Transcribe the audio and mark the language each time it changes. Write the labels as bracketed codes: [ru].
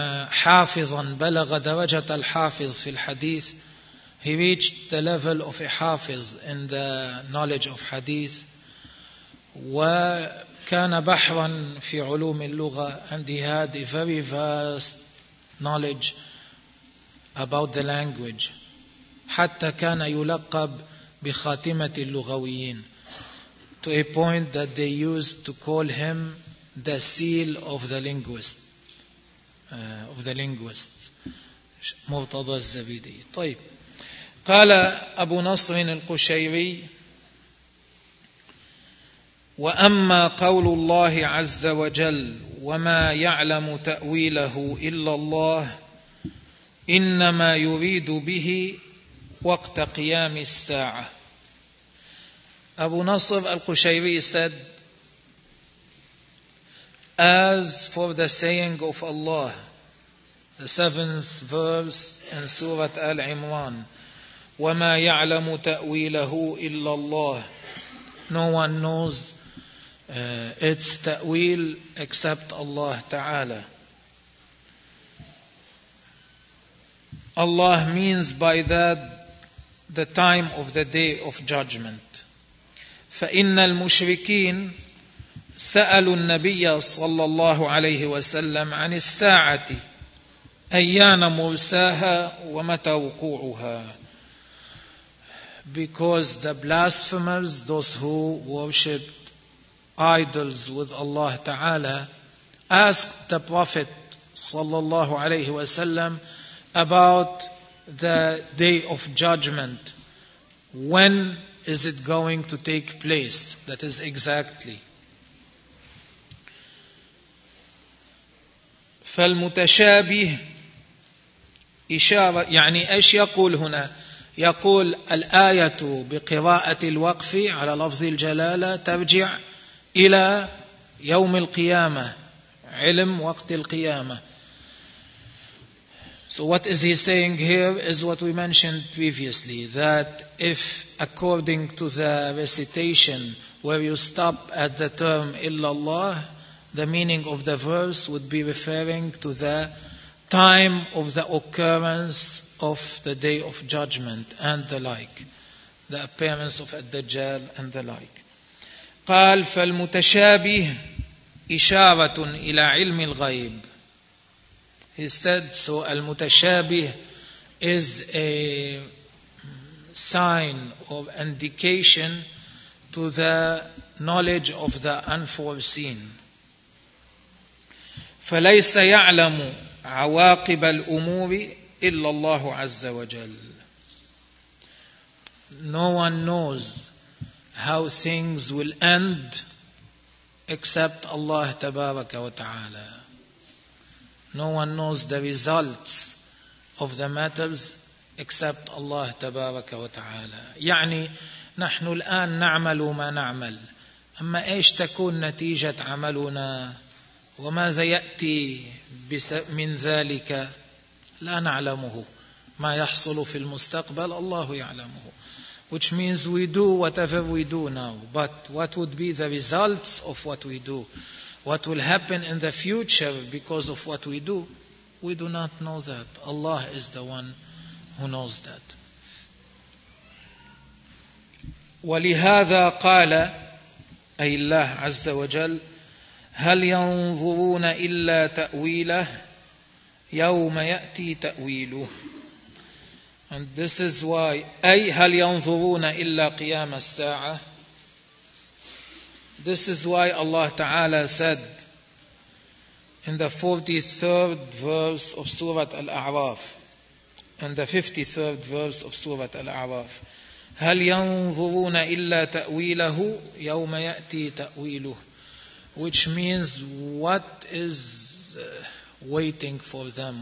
[ar] حافظا بلغ درجة الحافظ في الحديث. [en] He reached the level of a حافظ in the knowledge of hadith. [ar] وكان بحرا في علوم اللغة, [en] and he had a very vast knowledge about the language. [ar] حتى كان يلقب بخاتمة اللغويين, [en] to a point that they used to call him the seal of the linguist. Of the linguists, Murtada al-Zabidi. [ar] طيب. قال أبو نصر القشيري وأما قول الله عز وجل وما يعلم تأويله إلا الله إنما يريد به وقت قيام الساعة. [en] أبو نصر القشيري said, as for the saying of Allah, the seventh verse in Surah Al-Imran, [ar] وَمَا يَعْلَمُ تَأْوِيلَهُ إِلَّا اللَّهِ, [en] no one knows its ta'wil except Allah Ta'ala. Allah means by that the time of the day of judgment. [ar] فَإِنَّ الْمُشْرِكِينَ سألوا النبي صلى الله عليه وسلم عن الساعة أيان مرساها ومتى وقوعها. [en] Because the blasphemers, those who worshipped idols with Allah Ta'ala, asked the Prophet [ar] صلى الله عليه وسلم [en] about the day of judgment. When is it going to take place? That is exactly. [ar] فالمتشابه إشارة, يعني إيش يقول هنا؟ يقول الآية بقراءة الوقف على لفظ الجلالة ترجع إلى يوم القيامة, علم وقت القيامة. [en] So what is he saying here is what we mentioned previously, that if according to the recitation where you stop at the term إِلَّا اللَّهِ, the meaning of the verse would be referring to the time of the occurrence of the day of judgment and the like, the appearance of Ad-Dajjal and the like. [ar] قال فالمتشابه إشارة إلى علم الغيب. [en] He said, so المتشابه is a sign or indication to the knowledge of the unforeseen. [ar] فليس يعلم عواقب الأمور إلا الله عز وجل. [en] No one knows how things will end except Allah [ar] تبارك وتعالى. [en] No one knows the results of the matters except Allah [ar] تبارك وتعالى. يعني نحن الآن نعمل ما نعمل, أما إيش تكون نتيجة عملنا وماذا يأتي من ذلك لا نعلمه. ما يحصل في المستقبل الله يعلمه. [en] Which means we do whatever we do now, but what would be the results of what we do, what will happen in the future because of what we do, we do not know that. Allah is the one who knows that. [ar] ولهذا قال أي الله عز وجل هل ينظرون إلا تأويله يوم يأتي تأويله. [en] And this is why, [ar] أي هل ينظرون إلا قيام الساعة. [en] This is why Allah Ta'ala said in the 43rd verse of Surah Al-A'raf, and the 53rd verse of Surah Al-A'raf. [ar] هَلْ يَنْظُرُونَ إِلَّا تَأْوِيلَهُ يَوْمَ يَأْتِي تَأْوِيلُهُ, [en] which means, what is waiting for them?